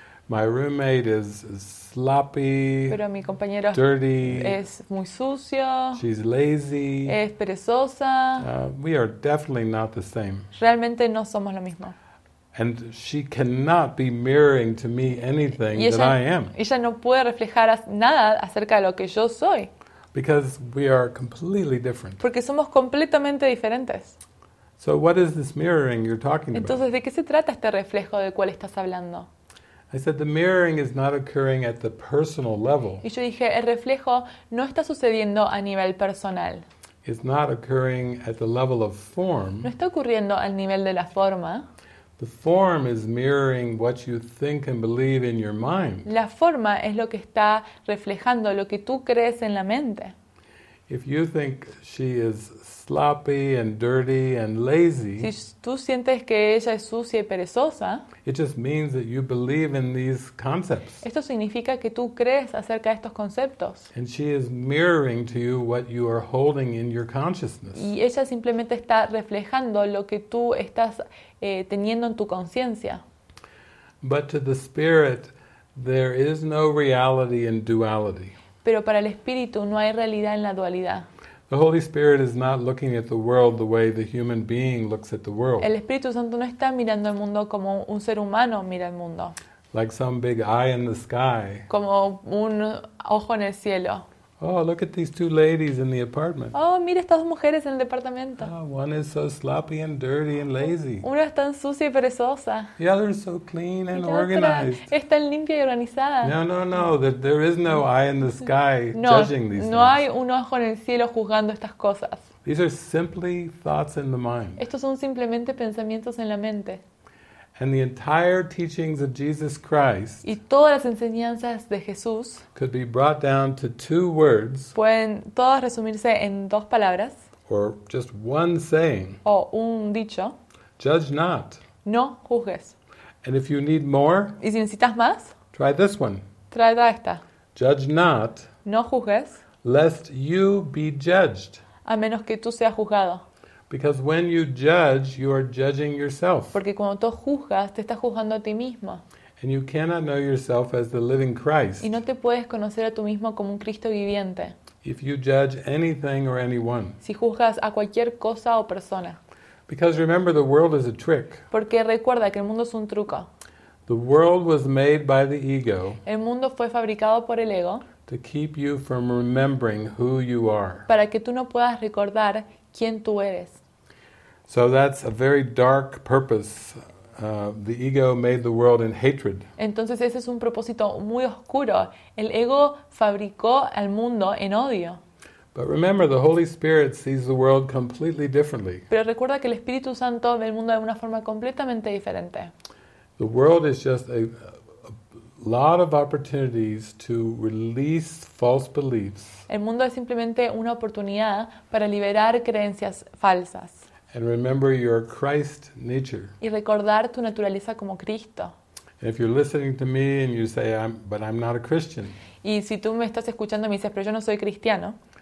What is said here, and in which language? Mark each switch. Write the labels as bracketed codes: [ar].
[en] My roommate is sloppy. [es] Pero mi compañera [en] dirty, [es] es muy sucio. [en] She's lazy. [es] Es perezosa. [en] We are definitely not the same. [es] Realmente no somos lo mismo. [en] And she cannot be mirroring to me anything [es] ella, [en] that I am. [es] Ella no puede reflejar nada acerca de lo que yo soy. [en] Because we are completely different. [es] Porque somos completamente diferentes. [en] So what is this mirroring you're talking about? [es] Entonces, ¿de qué se trata este reflejo del cual estás hablando? [en] I said the mirroring is not occurring at the personal level. [es] Y yo dije, el reflejo no está sucediendo a nivel personal. [en] It's not occurring at the level of form. [es] No está ocurriendo al nivel de la forma. [en] The form is mirroring what you think and believe in your mind. [es] La forma es lo que está reflejando lo que tú crees en la mente. [en] If you think she is sloppy and dirty and lazy, [es] si tú sientes que ella es sucia y perezosa, [en] it just means that you believe in these concepts. [es] Esto significa que tú crees acerca de estos conceptos. [en] And she is mirroring to you what you are holding in your consciousness. [es] Y ella simplemente está reflejando lo que tú estás teniendo en tu conciencia. [en] But to the spirit, there is no reality in duality. [es] Pero para el espíritu no hay realidad en la dualidad. [en] The Holy Spirit is not looking at the world the way the human being looks at the world. [es] El Espíritu Santo no está mirando el mundo como un ser humano mira el mundo. [en] Like some big eye in the sky. [es] Como un ojo en el cielo. [en] Oh, look at these two ladies in the apartment. [es] Oh, mira estas dos mujeres en el departamento. [en] Oh, one is so sloppy and dirty and lazy. [es] Una es tan sucia y perezosa. [en] The other is so clean and organized. [es] Es tan limpia y organizada. [en] No. There is no eye in the sky [es] no, [en] judging these things. [es] No hay un ojo en el cielo juzgando estas cosas. [en] These are simply thoughts in the mind. [es] Estos son simplemente pensamientos en la mente. [en] And the entire teachings of Jesus Christ [es] y todas las enseñanzas de Jesús [en] could be brought down to two words, [es] pueden todas resumirse en dos palabras, [en] or just one saying, [es] o un dicho, [en] judge not, [es] no juzgues. [en] And if you need more, [es] y si necesitas más, [en] try this one, [es] trae esta, [en] judge not, [es] no juzgues, [en] lest you be judged, [es] a menos que tú seas juzgado. [en] Because when you judge, you are judging yourself. [es] Porque cuando tú juzgas, te estás juzgando a ti mismo. [en] And you cannot know yourself as the living Christ. [es] Y no te puedes conocer a tú mismo como un Cristo viviente. [en] If you judge anything or anyone. [es] Si juzgas a cualquier cosa o persona. [en] Because remember, the world is a trick. [es] Porque recuerda que el mundo es un truco. [en] The world was made by the ego. [es] El mundo fue fabricado por el ego. [en] To keep you from remembering who you are. [es] Para que tú no puedas recordar quién tú eres. [en] So that's a very dark purpose. The ego made the world in hatred. [es] Entonces ese es un propósito muy oscuro. El ego fabricó al mundo en odio. [en] But remember, the Holy Spirit sees the world completely differently. [es] Pero recuerda que el Espíritu Santo ve el mundo de una forma completamente diferente. [en] The world is just a lot of opportunities to release false beliefs. [es] El mundo es simplemente una oportunidad para liberar creencias falsas. [en] And remember your Christ nature. [es] Y recordar tu naturaleza como Cristo. [en] And if you're listening to me and you say, but I'm not a Christian. [es] Y si tú me estás escuchando y me dices, pero yo no soy cristiano.